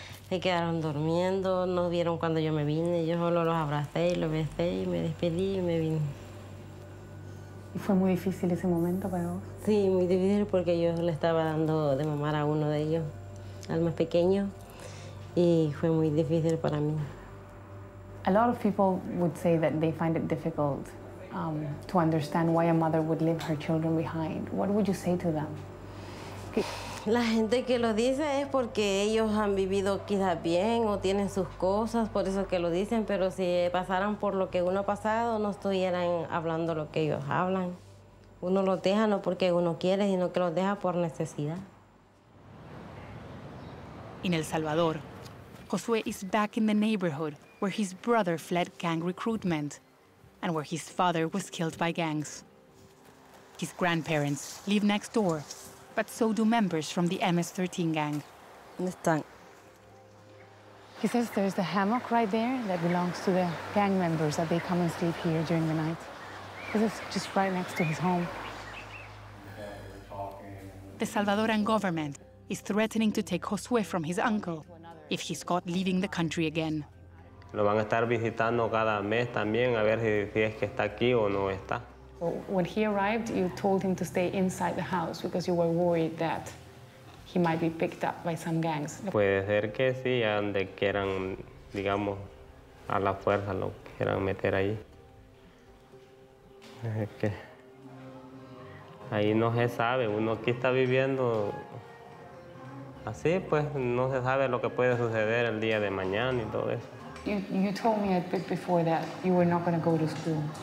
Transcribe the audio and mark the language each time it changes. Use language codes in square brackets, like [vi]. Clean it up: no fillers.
[es] Se quedaron durmiendo, no vieron cuando yo me vine. Yo solo los abracé y los besé y me despedí y me vine. ¿Y fue muy difícil ese momento para vos? Sí, muy difícil porque yo le estaba dando de mamar a uno de ellos, al más pequeño, y fue muy difícil para mí. [en] A lot of people would say that they find it difficult to understand why a mother would leave her children behind. What would you say to them? [es] La gente que lo dice es porque ellos han vivido quizás bien o tienen sus cosas, por eso que lo dicen, pero si pasaran por lo que uno ha pasado, no estuvieran hablando lo que ellos hablan. Uno lo deja no porque uno quiere, sino que lo deja por necesidad. [en] In El Salvador, Josué is back in the neighborhood where his brother fled gang recruitment and where his father was killed by gangs. His grandparents live next door, but so do members from the MS-13 gang. Understand. He says there's a hammock right there that belongs to the gang members that they come and sleep here during the night. This is just right next to his home. The Salvadoran government is threatening to take Josué from his uncle if he's caught leaving the country again. [es] Lo van a estar visitando cada mes también a ver si es que está aquí o no está. [en] When he arrived, you told him to stay inside the house because you were worried that he might be picked up by some gangs. [es] Puede ser que sí, donde quieran, digamos, a la fuerza lo quieran meter ahí. Es que ahí no se sabe. Uno aquí está viviendo así, pues no se sabe lo que puede suceder el día de mañana y todo eso. [en] You told me a bit before that you were not going to go to school.